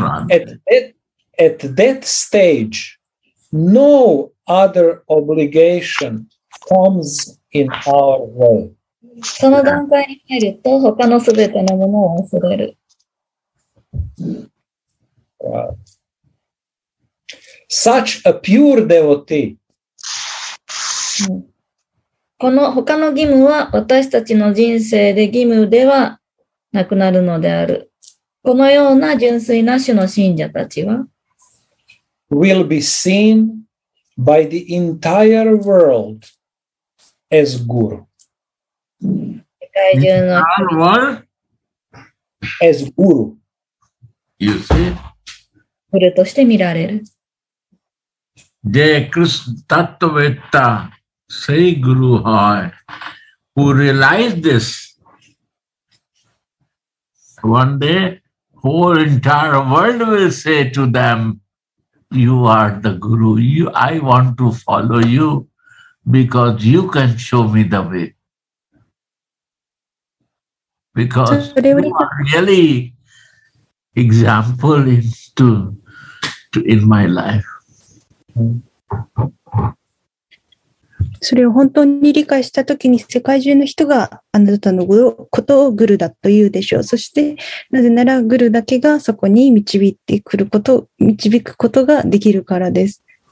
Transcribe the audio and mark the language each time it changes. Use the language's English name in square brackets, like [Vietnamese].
[English] At that stage, no other obligation comes in our way. [Japanese] その段階に入ると他のすべてのものを忘れる。 [English] Such a pure devotee. [Japanese] この他の義務は私たちの人生で義務ではなくなるのである。このような純粋な種の信者たちは、 [English] will be seen by the entire world as guru. Entire world as guru. You see, [Japanese] guru として見られる。 [Bangla] De Krishna Tattvetta Sri Guru Hai, [English] who realized this one day, whole entire world will say to them, you are the guru. You, I want to follow you because you can show me the way. Because you are really example in my life. [Japanese] それを本当に理解したときに世界中の人があなたのことをグルだと言うでしょう。そしてなぜならグルだけがそこに導くことができるからです。